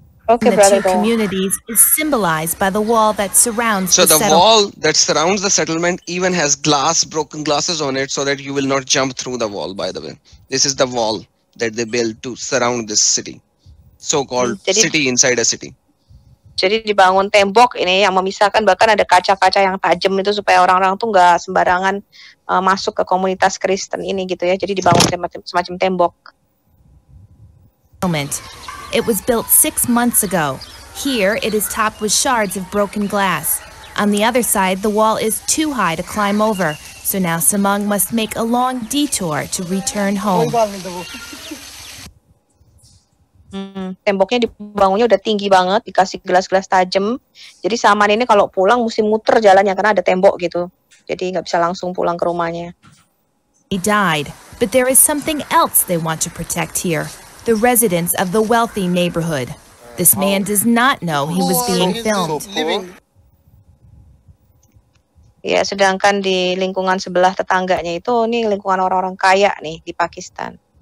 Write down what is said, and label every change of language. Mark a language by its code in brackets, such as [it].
[en] Okay, brother. The two communities is symbolized by the wall that surrounds. So the wall that surrounds the settlement even has glass, broken glasses on it, so that you will not jump through the wall. By the way, this is the wall that they built to surround this city. So-called city inside a city. [id] Jadi dibangun tembok ini yang memisahkan, bahkan ada kaca-kaca yang tajam itu supaya orang-orang tuh nggak sembarangan masuk ke komunitas Kristen ini gitu ya. Jadi dibangun semacam tembok. [en] Moment. It was built 6 months ago. Here it is topped with shards of broken glass. On the other side, the wall is too high to climb over. So now Samang must make a long detour to return home. [id] Temboknya dibangunnya udah tinggi banget, dikasih gelas-gelas tajam. Jadi Saman ini kalau pulang mesti muter jalannya karena ada tembok gitu. Jadi nggak bisa langsung pulang ke rumahnya. [en] He died, but there is something else they want to protect here. The residents of the wealthy neighborhood. This man does not know he was being filmed. [id] Ya, sedangkan di lingkungan sebelah tetangganya itu, ini lingkungan orang-orang kaya nih di Pakistan.